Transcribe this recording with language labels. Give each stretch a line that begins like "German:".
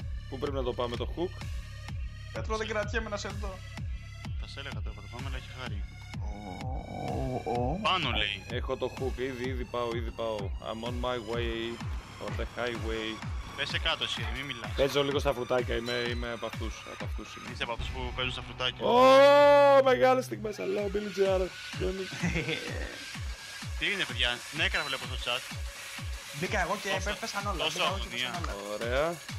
Greek: Πού πρέπει να το πάμε το hook. Πέτρο, δεν κρατιέμαι να σε δω. Θα σε έλεγα τώρα, πάμε, αλλά έχει χάρη. Πάνω λέει. Έχω το hook, ήδη πάω.
English: I'm on my way, on the highway.
Greek: Πέσε κάτω εσύ, μην μιλάς. Παίζω λίγο στα φρουτάκια, είμαι από αυτούς. Από αυτούς είμαι. Είσαι από αυτούς που παίζουν στα φρουτάκια. Μεγάλη στιγμή, σαν λέω, Billy Jr. Τι είναι, παιδιά, νέκρα βλέπω στο chat. Μπήκα εγώ και έπεφεσαν όλα. Τόσο αγωνία. Ωραία.